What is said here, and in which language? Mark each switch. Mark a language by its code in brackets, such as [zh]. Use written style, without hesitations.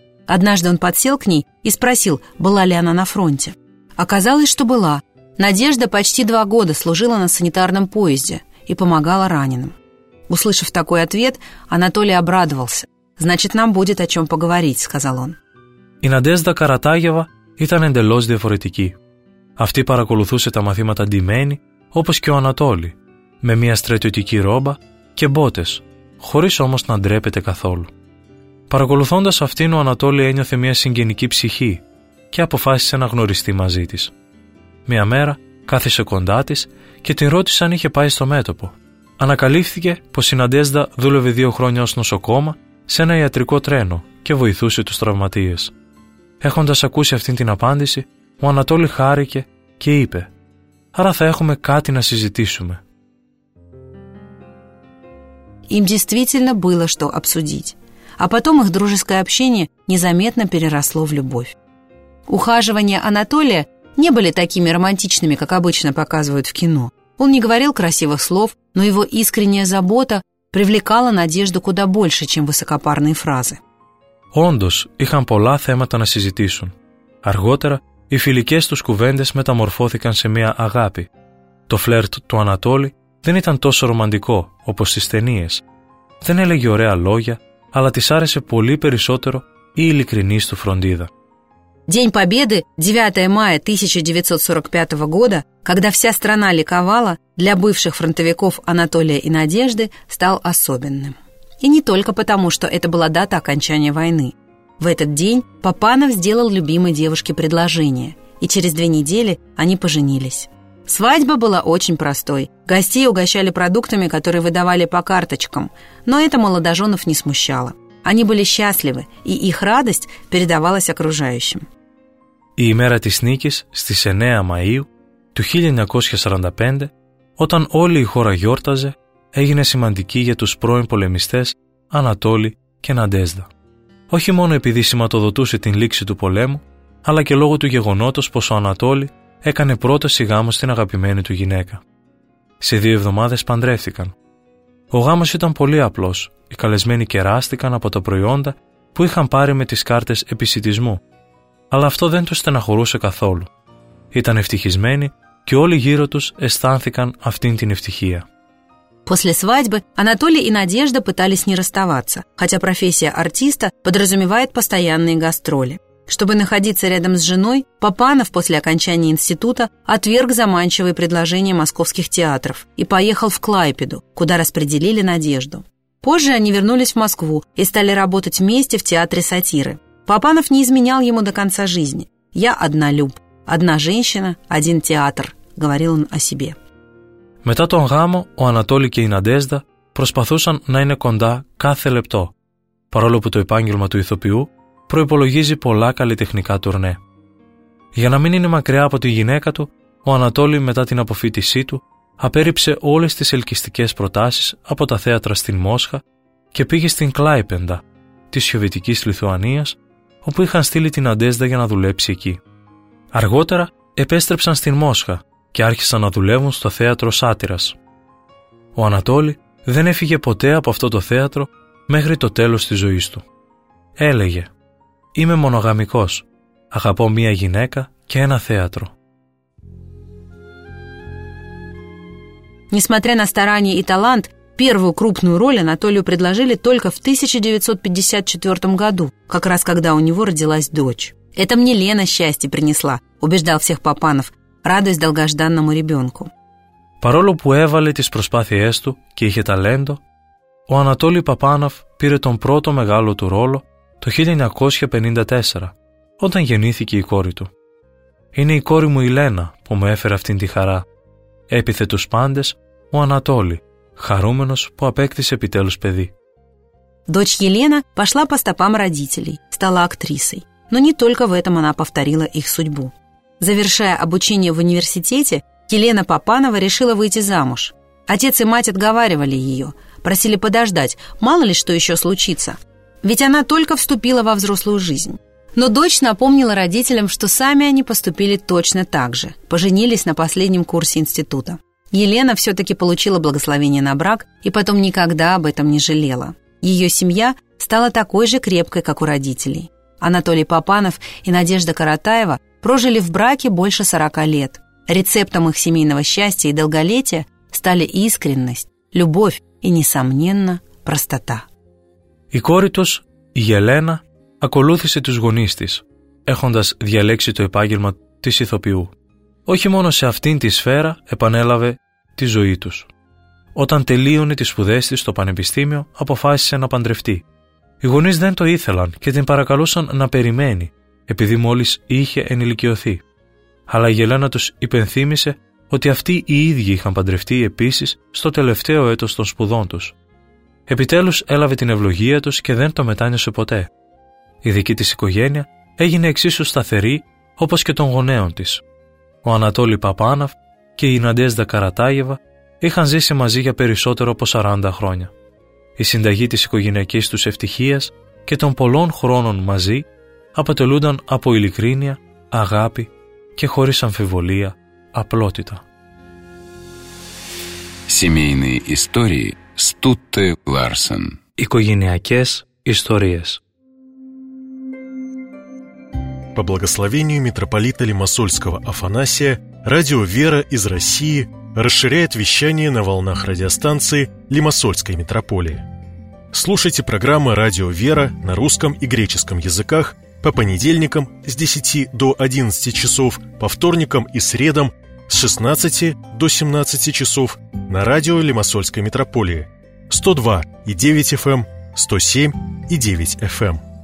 [ru] Однажды он подсел к ней и спросил, была ли она на фронте. Оказалось, что была. Надежда почти 2 года служила на санитарном поезде и помогала раненым. Услышав такой ответ, Анатолий обрадовался. «Значит, нам будет о чем поговорить», — сказал он. [el] Η Надежда Каратάγεβα ήταν εντελώς διαφορετική. Αυτή παρακολουθούσε τα μαθήματα ντυμένη, όπως και ο Ανατόλη, με μια στρατιωτική ρόμπα και μπότες, χωρίς όμως να ντρέπεται καθόλου. Παρακολουθώντας αυτήν, ο Ανατόλη ένιωθε μια συγγενική ψυχή και αποφάσισε να γνωριστεί μαζί της. Μια μέρα κάθισε κοντά της και την ρώτησε αν είχε πάει στο μέτωπο. Ανακαλύφθηκε πως η Ναντέζδα δούλευε 2 χρόνια ως νοσοκόμα σε ένα ιατρικό τρένο και βοηθούσε τους τραυματίες. Έχοντας ακούσει αυτήν την απάντηση, ο Ανατόλη χάρηκε και είπε «Άρα θα έχουμε κάτι να συζητήσουμε». [ru] Им действительно было что обсудить. А потом их дружеское общение незаметно переросло в любовь. Ухаживания Анатолия не были такими романтичными, как обычно показывают в кино. Он не говорил красивых слов, но его искренняя забота привлекала Надежду куда больше, чем высокопарные фразы. [el] Όντως, είχαν πολλά θέματα να συζητήσουν. Αργότερα, οι φιλικές τους κουβέντες μεταμορφώθηκαν σε μια αγάπη. Το φλερτ του Ανατόλη δεν ήταν τόσο ρομαντικό όπως στις ταινίες. Δεν έλεγε ωραία λόγια, αλλά της άρεσε πολύ περισσότερο η ειλικρινής του φροντίδα. [ru] День Победы, 9 мая 1945 года, когда вся страна ликовала, для бывших фронтовиков Анатолия и Надежды стал особенным. И не только потому, что это была дата окончания войны. В этот день Папанов сделал любимой девушке предложение, и через 2 недели они поженились. Свадьба была очень простой. Гостей угощали продуктами, которые выдавали по карточкам, но это молодоженов не смущало. Они были счастливы, и их радость передавалась окружающим. [el] Η ημέρα της νίκης στις 9 Μαΐου του 1945, όταν όλη η χώρα γιόρταζε, έγινε σημαντική για τους πρώην πολεμιστές Ανατόλη και Ναντέζδα. Όχι μόνο επειδή σηματοδοτούσε την λήξη του πολέμου, αλλά και λόγω του γεγονότος πως ο Ανατόλη έκανε πρόταση γάμου στην αγαπημένη του γυναίκα. Σε 2 εβδομάδες παντρεύτηκαν. Ο γάμος ήταν πολύ απλός. Οι καλεσμένοι κεράστηκαν από τα προϊόντα που είχαν πάρει με τις κάρτες επισιτισμού. Αλλά αυτό δεν τους στεναχωρούσε καθόλου. Ήταν ευτυχισμένοι και όλοι γύρω τους αισθάνθηκαν αυτήν την ευτυχία. [ru] После свадьбы Анатолий и Надежда пытались не расставаться, хотя профессия артиста подразумевает постоянные гастроли. Чтобы находиться рядом с женой, Папанов после окончания института отверг заманчивые предложения московских театров и поехал в Клайпеду, куда распределили Надежду. Позже они вернулись в Москву и стали работать вместе в театре сатиры. Папанов не изменял ему до конца жизни. «Я однолюб. Одна женщина, один театр», — говорил он о себе. [el] Μετά τον γάμο, ο Ανατόλη και η Ναντέζδα προσπαθούσαν να είναι κοντά κάθε λεπτό, παρόλο που το επάγγελμα του ηθοποιού προϋπολογίζει πολλά καλλιτεχνικά τουρνέ. Για να μην είναι μακριά από τη γυναίκα του, ο Ανατόλη μετά την αποφύτισή του απέρριψε όλες τις ελκυστικές προτάσεις από τα θέατρα στην Μόσχα και πήγε στην Κλάιπεντα, της Σοβιετικής Λιθουανίας, όπου είχαν στείλει την Ναντέζδα για να δουλέψει εκεί. Αργότερα επέστρεψαν στην Μόσχα και άρχισαν να δουλεύουν στο θέατρο Σάτυρας. Ο Ανατόλη δεν έφυγε ποτέ από αυτό το θέατρο μέχρι το τέλος της ζωής του. Έλεγε «Είμαι μονογαμικός, αγαπώ μία γυναίκα και ένα θέατρο». [ru] Несмотря на старания и талант, первую крупную роль Анатолию предложили только в 1954 году, как раз когда у него родилась дочь. «Это мне Лена счастье принесла», – убеждал всех Папанов, радуясь долгожданному ребенку. [el] Παρόλο που έβαλε τις προσπάθειές του και είχε ταλέντο, ο Ανατόλη Παπάνοφ πήρε τον πρώτο μεγάλο του ρόλο το 1954, όταν γεννήθηκε η κόρη του. «Είναι η κόρη μου η Λένα που μου έφερε αυτήν τη χαρά», έπειθε τους πάντες ο Ανατόλη, χαρούμενος που απέκτησε επιτέλους παιδί. [ru] Дочь Елена пошла по стопам родителей, стала актрисой. Но не только в этом она повторила их судьбу. Завершая обучение в университете, Елена Папанова решила выйти замуж. Отец и мать отговаривали ее, просили подождать, мало ли что еще случится. Ведь она только вступила во взрослую жизнь. Но дочь напомнила родителям, что сами они поступили точно так же, поженились на последнем курсе института. Елена все-таки получила благословение на брак и потом никогда об этом не жалела. Ее семья стала такой же крепкой, как у родителей. Анатолий Папанов и Надежда Каратаева прожили в браке больше 40 лет. Рецептом их семейного счастья и долголетия стали искренность, любовь и, несомненно, простота. [el] Η κόρη τους, η Ελένα, ακολούθησε τους γονείς της, έχοντας διαλέξει το επάγγελμα της ηθοποιού. Όχι μόνο σε αυτήν τη σφαίρα επανέλαβε τη ζωή τους. Όταν τελείωνε τις σπουδές της στο πανεπιστήμιο, αποφάσισε να παντρευτεί. Οι γονείς δεν το ήθελαν και την παρακαλούσαν να περιμένει, επειδή μόλις είχε ενηλικιωθεί. Αλλά η Ελένα τους υπενθύμησε ότι αυτοί οι ίδιοι είχαν παντρευτεί επίσης στο τελευταίο έτος των σπουδών τους. Επιτέλους έλαβε την ευλογία τους και δεν το μετάνιωσε ποτέ. Η δική της οικογένεια έγινε εξίσου σταθερή όπως και των γονέων της. Ο Ανατόλη Παπάναυ και η Ναντέζδα Καρατάγεβα είχαν ζήσει μαζί για περισσότερο από 40 χρόνια. Η συνταγή της οικογενειακής τους ευτυχίας και των πολλών χρόνων μαζί αποτελούνταν από ειλικρίνεια, αγάπη και χωρίς αμφιβολία απλότητα. [ru] Семейные истории Стутте Ларсен. [el] Οικογενειακές ιστορίες. [ru] По благословению митрополита Лимассольского Афанасия, радио «Вера» из России расширяет вещание на волнах радиостанции Лимассольской митрополии. Слушайте программы «Радио «Вера» на русском и греческом языках по понедельникам с 10 до 11 часов, по вторникам и средам с 16 до 17 часов на радио Лимассольской митрополии 102.9 FM, 107.9 FM.